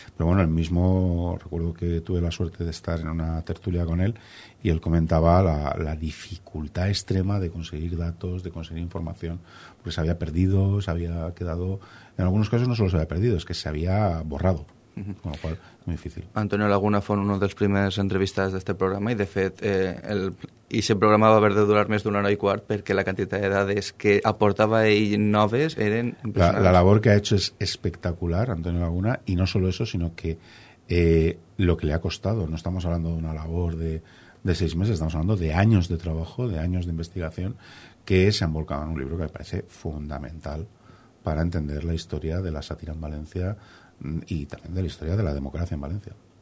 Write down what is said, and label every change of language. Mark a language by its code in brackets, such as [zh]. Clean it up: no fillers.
[es] Pero bueno, él mismo, recuerdo que tuve la suerte de estar en una tertulia con él y él comentaba la dificultad extrema de conseguir datos, de conseguir información, porque se había perdido, se había quedado... En algunos casos no solo se había perdido, es que se había borrado. Con lo cual, muy difícil. [ca] Antonio Laguna fue uno dels primers entrevistats d'este programa i, de fet, ese programa va haver de durar més d'una hora i quart perquè la quantitat de dades que aportava ell noves eren impressionants. [es] La labor que ha hecho es espectacular, Antonio Laguna, y no solo eso, sino que lo que le ha costado, no estamos hablando de una labor de seis meses, estamos hablando de años de trabajo, de años de investigación, que se han volcado en un libro que me parece fundamental para entender la historia de la sátira en Valencia y también de la historia de la democracia en Valencia.